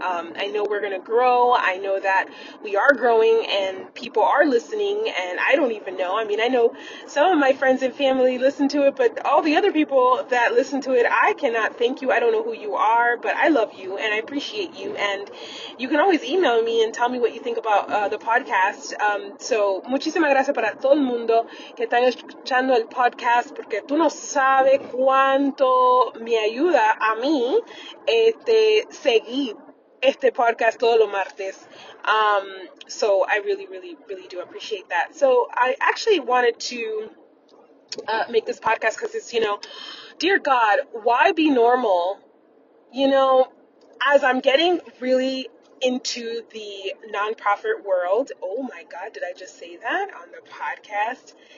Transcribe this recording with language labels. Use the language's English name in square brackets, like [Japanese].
[English] I know we're gonna grow. I know that we are growing, and people are listening, and I don't even know. I mean, I know some of my friends and family listen to it, but all the other people that listen to it, I cannot thank you. I don't know who you are, but I love you and I appreciate you. And you can always email me and tell me what you think about the podcast. [Spanish] So muchísimas gracias para todo el mundo que están escuchando el podcast, porque tú no sabes cuánto me ayuda a mí seguir este podcast todos los martes. [English] So I really, really, really do appreciate that. So I actually wanted to make this podcast because it's, you know, Dear God, why be normal? You know, as I'm getting really into the nonprofit world, oh my God, did I just say that on the podcast?